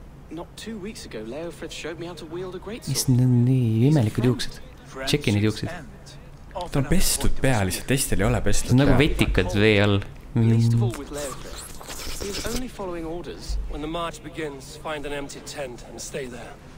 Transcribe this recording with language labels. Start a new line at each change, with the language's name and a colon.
English: Not two weeks ago, Leofred showed me how to wield a great sword.
Estonian: Mis on nii imelikud juuksed? Tšeki need juuksed. Ta on pestud peal, lihtsalt teistel ei ole pestud. Ta on nagu vetikad vee all.
English: He is only following orders. When the march begins, find an empty tent and stay there.